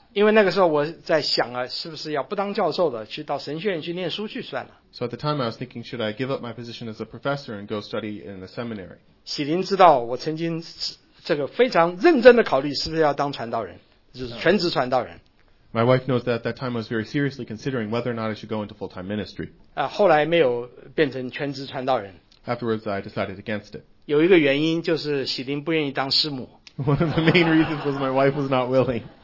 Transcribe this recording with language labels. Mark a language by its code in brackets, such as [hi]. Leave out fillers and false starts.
[zh] 因为那个时候我在想啊，是不是要不当教授的，去到神学院去念书去算了。 [en] So at the time I was thinking, should I give up my position as a professor and go study in a seminary? [zh] 喜林知道我曾经这个非常认真的考虑是不是要当传道人，就是全职传道人。 [en] My wife knows that at that time I was very seriously considering whether or not I should go into full-time ministry. [zh] 后来没有变成全职传道人。 [en] Afterwards, I decided against it. [zh] 有一个原因就是喜林不愿意当师母。 [en] One of the main reasons was my wife was not willing.